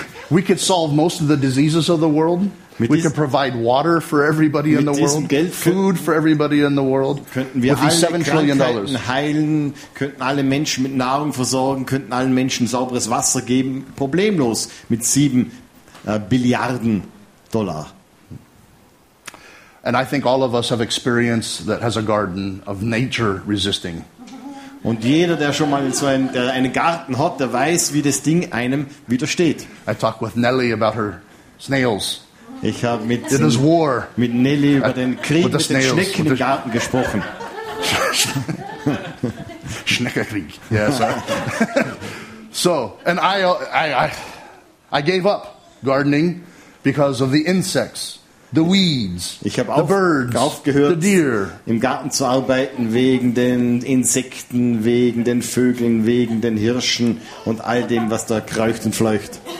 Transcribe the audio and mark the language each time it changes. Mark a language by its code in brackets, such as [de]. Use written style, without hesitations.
[en] We could solve most of the diseases of the world. We could provide water for everybody in the world. [de] Geld [en] food for everybody in the world. [de] Könnten wir alle $7 trillion heilen, könnten alle Menschen mit Nahrung versorgen, könnten allen Menschen sauberes Wasser geben, problemlos mit 7 Billiarden Dollar. [en] And I think all of us have experience that has a garden of nature resisting. [de] Und jeder, der schon mal so einen, der einen Garten hat, der weiß, wie das Ding einem widersteht. [en] I talked with Nelly about her snails. [de] Ich habe mit Nelly über den Krieg mit den Schnecken im Garten gesprochen. [en] Schneckenkrieg. Yeah, sorry. So, and I gave up gardening because of the insects. The weeds, [de] ich habe aufgehört, im Garten zu arbeiten wegen den Insekten, wegen den Vögeln, wegen den Hirschen und all dem, was da kreucht und fleucht.